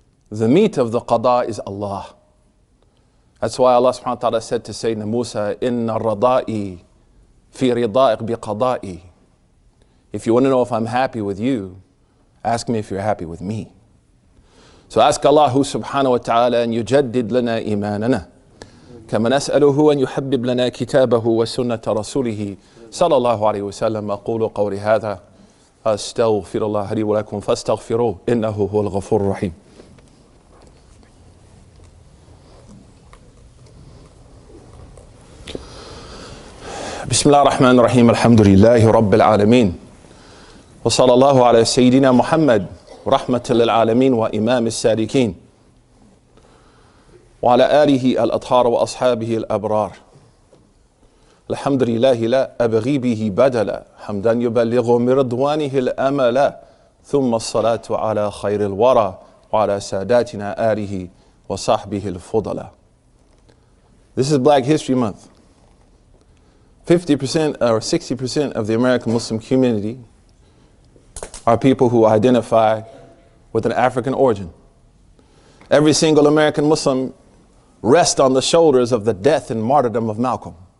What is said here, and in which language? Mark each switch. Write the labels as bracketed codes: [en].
[en] The meat of the qada is Allah. That's why Allah subhanahu wa ta'ala said to Sayyidina Musa, [ar] إِنَّ الرَّضَاءِ فِي رِضَائِكَ بِقَضَائِي. [en] If you want to know if I'm happy with you, ask me if you're happy with me. So ask Allah subhanahu wa ta'ala, and [ar] يُجَدِّدْ لَنَا إِيمَانَنَا. كما نسأله أن يحبب لنا كتابه وسنة رسوله صلى الله عليه وسلم. أقول قولي هذا أستغفر الله لي ولكم فاستغفروه إنه هو الغفور الرحيم. بسم الله الرحمن الرحيم. الحمد لله رب العالمين وصلى الله على سيدنا محمد رحمة للعالمين وإمام السالكين وعلى آله الأطهار وأصحابه الأبرار. الحمد لله لا أبغي به بدلا حمدا يبلغ مرضوانه الأملا ثم الصلاة على خير الورى وعلى ساداتنا آله وصحبه الفضلا. [en] This is Black History Month. 50% or 60% of the American Muslim community are people who identify with an African origin. Every single American Muslim rests on the shoulders of the death and martyrdom of Malcolm.